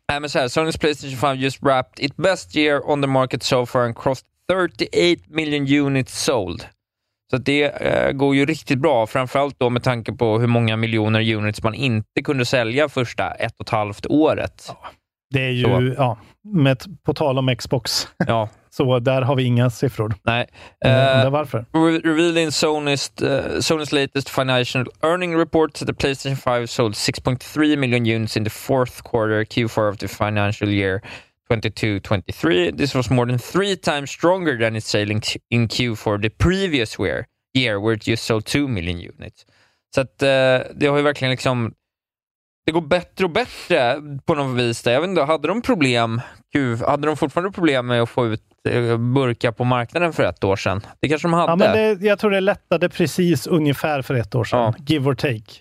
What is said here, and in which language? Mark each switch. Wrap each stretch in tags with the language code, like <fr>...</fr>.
<sv>Nej, men så här,</sv> <en>Sony's PlayStation 5 just wrapped its best year on the market so far and crossed 38 million units sold.</en> <sv>Så det går ju riktigt bra, framförallt då med tanke på hur många miljoner units man inte kunde sälja första 1,5 året. Ja, det är ju, så. Ja, med, på tal om Xbox. Ja. Så där har vi inga siffror. Nej. Varför?</sv> <en>Revealing Sony's latest financial earning report that the PlayStation 5 sold 6.3 million units in the fourth quarter, Q4 of the financial year 22-23. This was more than 3 times stronger than its sales in Q4 the previous year, where it just sold 2 million units.</en> <sv>Så att det har ju verkligen liksom, det går bättre och bättre på något vis. Jag vet inte, hade de problem, hade de fortfarande problem med att få ut burka på marknaden för 1 år sedan? Det kanske de hade. Ja, men det, jag tror det lättade precis ungefär för 1 år sedan.</sv> <en>Ja. Give or take.</en>